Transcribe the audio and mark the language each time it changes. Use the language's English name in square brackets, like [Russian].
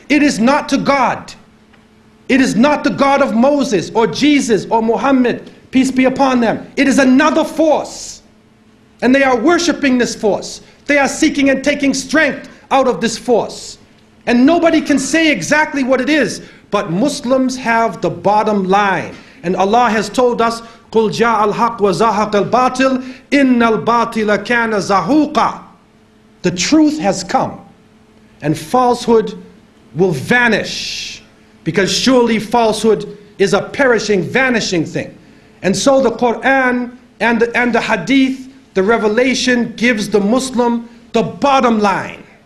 [English] It is not to God. It is not the God of Moses or Jesus or Muhammad, peace be upon them. It is another force. And they are worshiping this force. They are seeking and taking strength out of this force. And nobody can say exactly what it is, but Muslims have the bottom line. And Allah has told us, [Arabic] قُلْ جَاءَ الْحَقُّ وَزَهَقَ الْبَاطِلُ إِنَّ الْبَاطِلَ كَانَ زَهُوقًا. [English] The truth has come, and falsehood will vanish, because surely falsehood is a perishing, vanishing thing. And so the Quran and the Hadith, the revelation gives the Muslim the bottom line.